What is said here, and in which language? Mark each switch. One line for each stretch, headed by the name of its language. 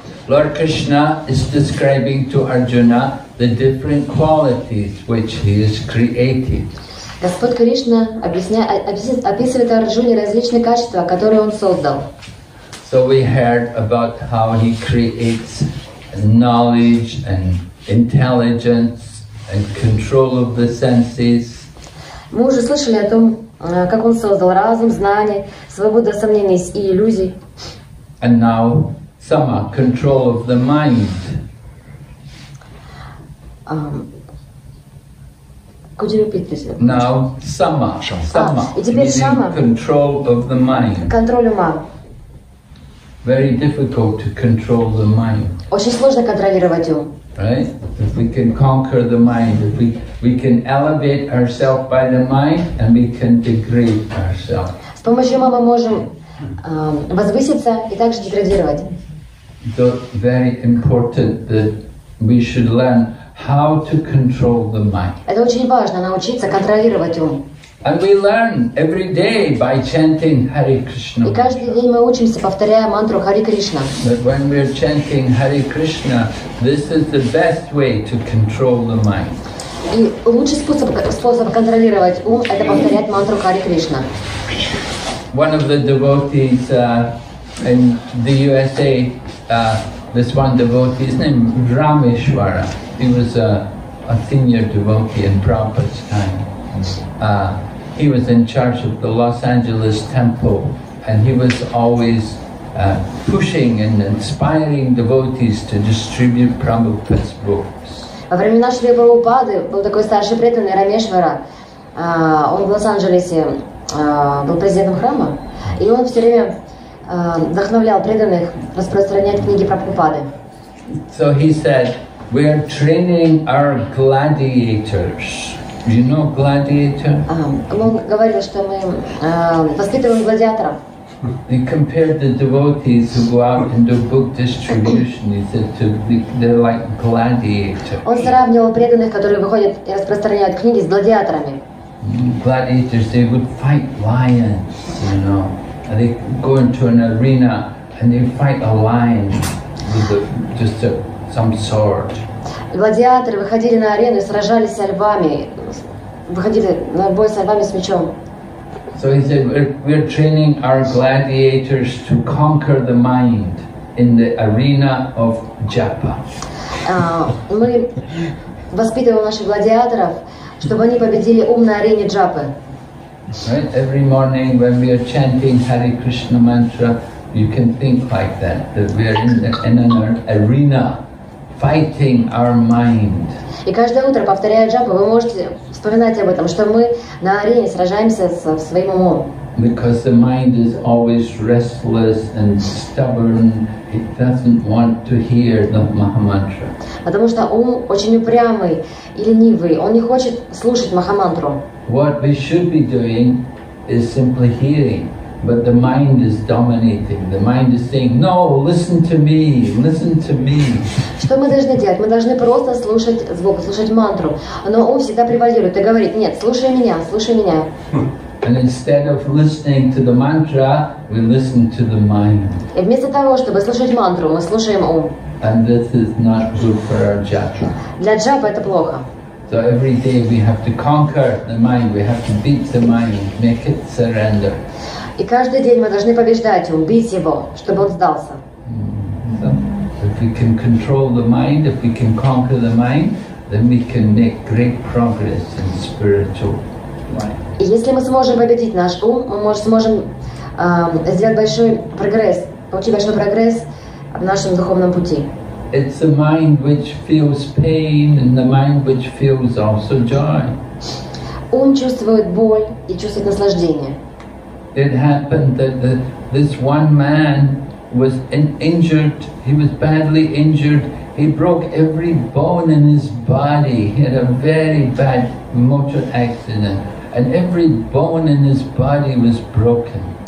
English: Lord Krishna is describing to Arjuna the different qualities which he has created.
Russian: Господь Кришна описывает Арджуне различные качества, которые он создал.
English: So we heard about how he creates knowledge and intelligence and control of the senses.
Russian: Мы уже слышали о том, как он создал разум, знание, свободу от сомнений и иллюзий.
English: And now Sama, control of the mind. Could you repeat this? Now, Sama. Sama. Control of the mind. Control
Russian: ума.
English: Very difficult to control the mind.
Russian: Очень сложно контролировать ум.
English: Right? If we can conquer the mind, if we can elevate ourselves by the mind, and we can degrade ourselves.
Russian: С помощью ума мы можем возвыситься и также деградировать.
English: So very important that we should learn how to control the mind.
Russian: Это очень важно научиться контролировать ум.
English: And we learn every day by chanting Hare Krishna.
Russian: И каждый день мы учимся, повторяя мантру Hare Krishna.
English: That when we are chanting Hare Krishna, this is the best way to control the mind.
Russian: И лучший способ контролировать ум это повторять мантру Hare Krishna.
English: One of the devotees in the USA. This one devotee, his name is Rameshwara. He was a senior devotee in Prabhupada's time. He was in charge of the Los Angeles temple and he was always pushing and inspiring devotees to distribute Prabhupada's books.
Russian: Во времена Шри Прабхупады был такой старший преданный Рамешвара. Он в Лос-Анджелесе был президентом храма. И он все время вдохновлял преданных распространять книги Прабхупады.
English: So he said, we are training our gladiators. You know gladiator?
Russian: Он говорил, что мы воспитываем гладиаторов.
English: He compared the devotees who go out and do book distribution. He said to they're like gladiators.
Russian: Он сравнивал преданных, которые выходят и распространяют книги, с гладиаторами.
English: Gladiators, they would fight lions, you know. And they go into an arena and they fight a lion with some sword.
Russian: Гладиаторы выходили на арену и сражались с львами, выходили на бой с львами с мечом.
English: So he said, we're training our gladiators to conquer the mind in the arena of japa.
Russian: Мы воспитываем наших гладиаторов, чтобы они победили ум на арене джапы.
English: Right? Every morning when we are chanting Hare Krishna mantra, you can think like that, that we are in an arena fighting our mind.
Russian: И каждое утро, повторяя джапу, вы можете вспоминать об этом, что мы на арене сражаемся со своим умом.
English: Because the mind is always restless and stubborn, it doesn't want to hear the Mahamantra.
Russian: Потому что ум очень упрямый и ленивый, он не хочет слушать Махамантру.
English: What we should be doing is simply hearing, but the mind is dominating. The mind is saying, no, listen to me, listen to me.
Russian: Что мы должны делать? Мы должны просто слушать звук, слушать мантру. Но ум всегда превалирует и говорит, нет, слушай меня, слушай меня.
English: And instead of listening to the mantra, we listen to the mind.
Russian: И вместо того, чтобы слушать мантру, мы слушаем ум.
English: And this is not good for our japa.
Russian: Для джапы это плохо.
English: So every day we have to conquer the mind, we have to beat the mind, make it surrender.
Russian: И каждый день мы должны побеждать ум, бить его, чтобы он сдался.
English: So if we can control the mind, if we can conquer the mind, then we can make great progress in spiritual life.
Russian: И если мы сможем победить наш ум, мы сможем сделать большой прогресс, получить большой прогресс в нашем духовном пути.
English: It's the mind which feels pain and the mind which feels also joy.
Russian: Ум чувствует боль и чувствует наслаждение.
English: It happened that this one man was injured, he was badly injured, he broke every bone in his body, he had a very bad motor accident, and every bone in his body was broken.